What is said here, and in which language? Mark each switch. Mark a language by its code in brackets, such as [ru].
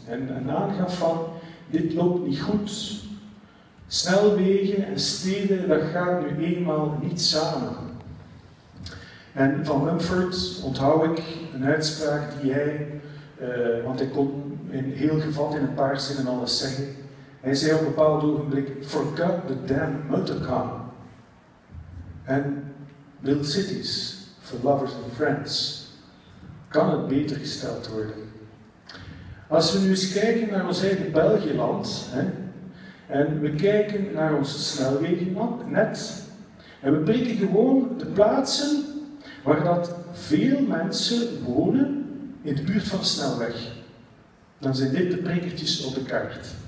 [nl] En aangaf van, dit loopt niet goed. Snelwegen en steden, dat gaat nu eenmaal niet samen. En van Mumford onthoud ik een uitspraak die hij, want hij kon in heel gevat in een paar zinnen alles zeggen. Hij zei op een bepaald ogenblik, [en] forgot the damn motorcar. En build cities for lovers and friends. [nl] Kan het beter gesteld worden? Als we nu eens kijken naar ons eigen Belgieland, hè, en we kijken naar ons snelwegennet, en we prikken gewoon de plaatsen waar dat veel mensen wonen in de buurt van de snelweg, dan zijn dit de prikkertjes op de kaart.